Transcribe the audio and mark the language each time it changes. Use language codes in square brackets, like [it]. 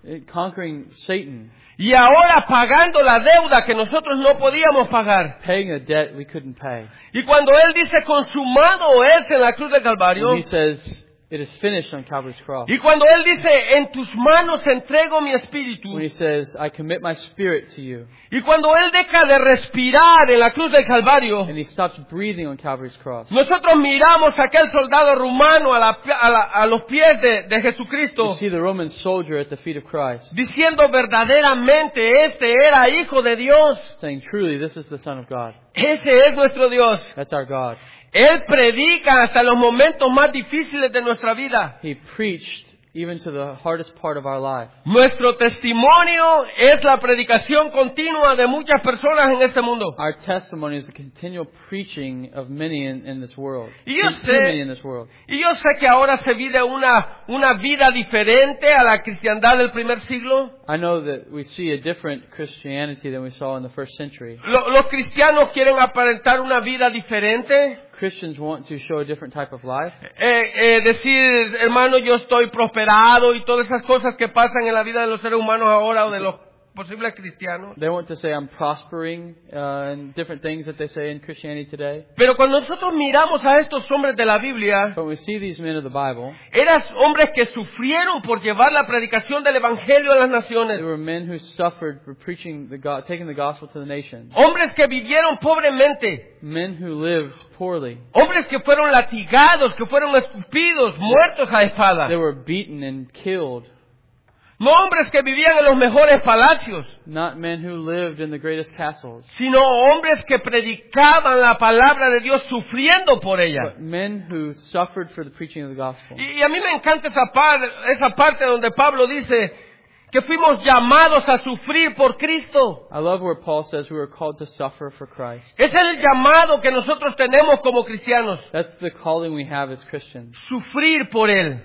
[en] Conquering Satan. [es] Y ahora pagando la deuda que nosotros no podíamos pagar. [en] Paying a debt we couldn't pay. [es] Y cuando Él dice consumado es en la cruz del Calvario. [en] He says, it is finished on Calvary's cross. [es] Y cuando Él dice en tus manos entrego mi espíritu. [en] When he says, I commit my spirit to you. [es] Y cuando Él deja de respirar en la cruz del Calvario. [en] And he stops breathing on Calvary's cross. [es] Nosotros miramos a aquel soldado romano a los pies de Jesucristo. [en] You see the Roman soldier at the feet of Christ. [es] Diciendo verdaderamente este era hijo de Dios. [en] Saying truly this is the Son of God. [es] Ese es nuestro Dios. [en] That's our God. [es] Él predica hasta los momentos más difíciles de nuestra vida. [en] He preached even to the hardest part of our life. [es] Nuestro testimonio es la predicación continua de muchas personas en este mundo. [en] Our testimony is the continual preaching of many in this world. [es] Y yo sé, que ahora se vive una vida diferente a la cristiandad del primer siglo. [en] I know that we see a different Christianity than we saw in the first century. [es] Los cristianos quieren aparentar una vida diferente. [en] Christians want to show a different type of life. [es] Decir, hermano, yo estoy prosperado y todas esas cosas que pasan en la vida de los seres humanos ahora o de los posibles cristianos. [en] They want to say I'm prospering and different things that they say in Christianity today. [es] Pero cuando nosotros miramos a estos hombres de la Biblia, [en] when we see these men of the Bible, [es] eran hombres que sufrieron por llevar la predicación del evangelio a las naciones. [en] They were men who suffered for preaching taking the gospel to the nations. [es] Hombres que vivieron pobremente. [en] Men who lived poorly. [es] Hombres que fueron latigados, que fueron escupidos, muertos a espada. [en] They were beaten and killed. [es] No hombres que vivían en los mejores palacios. [en] Not men who lived in the greatest castles. [es] Sino hombres que predicaban la palabra de Dios sufriendo por ella. [en] But men who suffered for the preaching of the gospel. [es] Y a mí me encanta esa parte donde Pablo dice que fuimos llamados a sufrir por Cristo. [en] I love where Paul says we were called to suffer for Christ. [es] Ese es el llamado que nosotros tenemos como cristianos. [en] That's the calling we have as Christians. [es] Sufrir por Él.